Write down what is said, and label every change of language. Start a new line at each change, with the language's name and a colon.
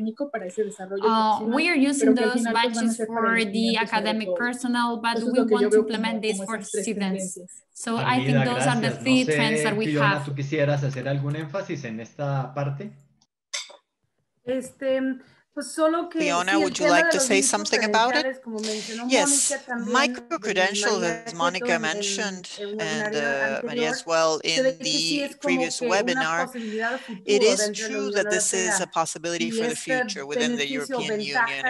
English: We are using those batches for the academic personnel, but we want to implement this for students. So I think those are the three trends that we have.
Spanish: ¿Tú quisieras hacer algún énfasis en esta parte?
English: Fiona, would you like to say something about it? Yes, micro-credentials, as Monica mentioned, and Maria as well in the previous webinar, it is true that this is a possibility for the future within the European Union.